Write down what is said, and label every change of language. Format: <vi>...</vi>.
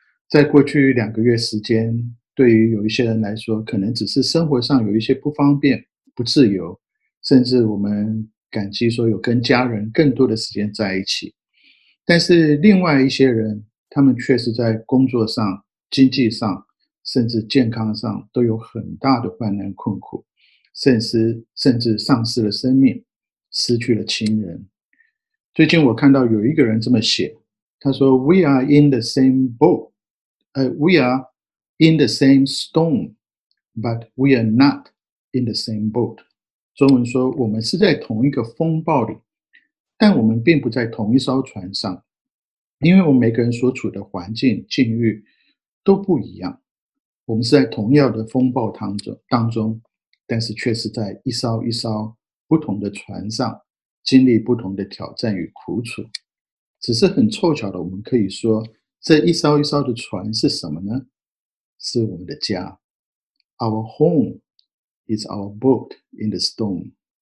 <zh>在过去两个月时间，对于有一些人来说，可能只是生活上有一些不方便、不自由，甚至我们感激说有跟家人更多的时间在一起。但是另外一些人，他们确实在工作上、经济上甚至健康上都有很大的患难困苦，甚至丧失了生命，失去了亲人。最近我看到有一个人这么写，他说</zh> <en>"We are in the same boat, we are in the same storm, but we are not in the same boat."</en> <zh>中文说我们是在同一个风暴里，但我们并不在同一艘船上，因为我们每个人所处的环境境遇都不一样。我们是在同样的风暴当中，但是却是在一艘一艘不同的船上，经历不同的挑战与苦楚。只是很凑巧的，我们可以说，这一艘一艘的船是什么呢？是我们的家。</zh> <en>Our home is our boat in the storm.</en>